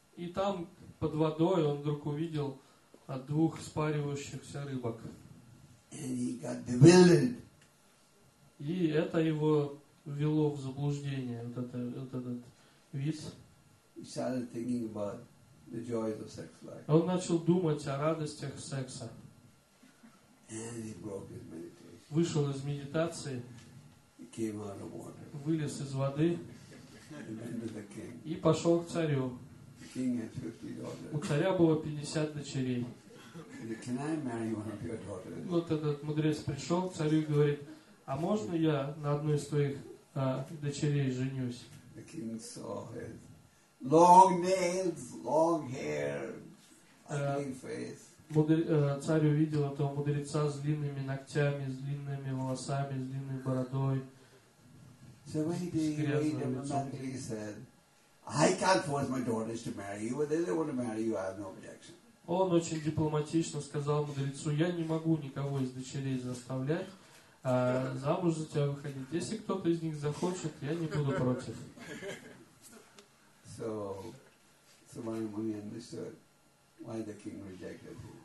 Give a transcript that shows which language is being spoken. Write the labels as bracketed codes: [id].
[ru] И там под водой он вдруг увидел от двух спаривающихся рыбок. [en] And he got bewildered. [ru] И это его ввело в заблуждение, этот вид. [en] He started thinking about the joys of sex life. [ru] Он начал думать о радостях секса. [en] And he broke his meditation. [ru] Вышел из медитации. [en] He came out of water. [ru] Вылез из воды. [en] The king. [ru] И пошел к царю. [en] The king had 50 daughters. [ru] У царя было 50 дочерей. [en] Can I marry one of your daughters? [ru] Вот этот мудрец пришел к царю и говорит, а можно я на одной из твоих дочерей женюсь? [en] The king saw his long nails, long hair, ugly face. [ru] Царь увидел этого мудреца с длинными ногтями, с длинными волосами, с длинной бородой. [en] So when he did, he automatically said, I can't force my daughters to marry you. If they want to marry you, I have no objection. [ru] Он очень дипломатично сказал мудрецу: я не могу никого из дочерей заставлять замуж за тебя выходить. Если кто-то из них захочет, я не буду против. [en] So, Сумари-муни understood why the king rejected him.